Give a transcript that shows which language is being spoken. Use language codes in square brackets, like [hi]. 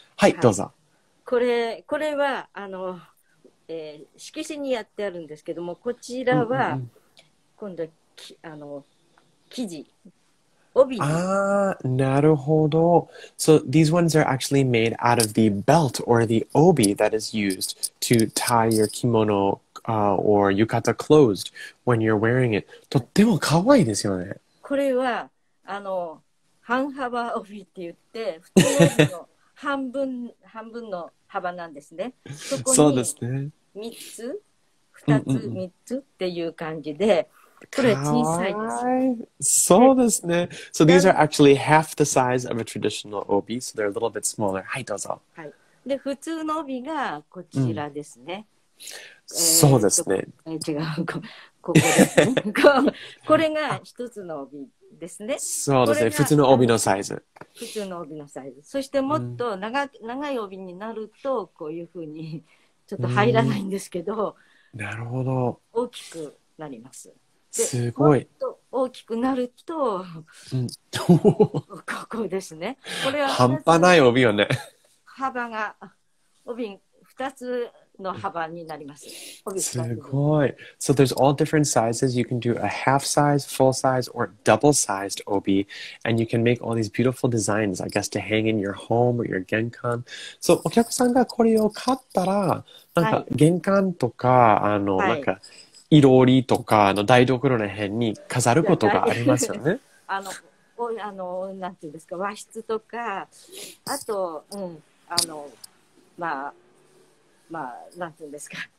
[ja] はい、はい、どうぞ。これは、色紙にやってあるんですけども、こちらは、うんうん、今度あの生地、帯。ああ、なるほど。 [en] So these ones are actually made out of the belt or the obi that is used to tie your kimono、or yukata clothes when you're wearing it. [ja] とっても可愛いですよね。これはあの半幅帯って言って普通の半分半分の幅なんですね。そうですね。三つ、二つ、三つっていう感じで、これ小さいです。そうですね。 [en] So these are actually half the size of a traditional obi, so they're a little bit smaller. [ja] はい、どうぞ。はい。で、普通の帯がこちらですね。そうですね。違う、ここですね。これが一つの帯ですね。そうですね。普通の帯のサイズ。普通の帯のサイズ。そしてもっと長い帯になると、こういうふうに、ちょっと入らないんですけど、なるほど、大きくなります。すごい、と大きくなると、うん、ここですね。これは半端ない帯よね。幅が帯2つの幅になります。 [en] すごい。So there's all different sizes. You can do a half size, full size, or double sized obi, and you can make all these beautiful designs, I guess, to hang in your home or your genkan. So [ja] お客さんがこれを買ったら、なんか玄関とか、はい、あの、はい、なんか色折りとかの台所の辺に飾ることがありますよね。あのなんていうんですか、和室とか、あと、うん、あのまあまあ、なんていうんですか。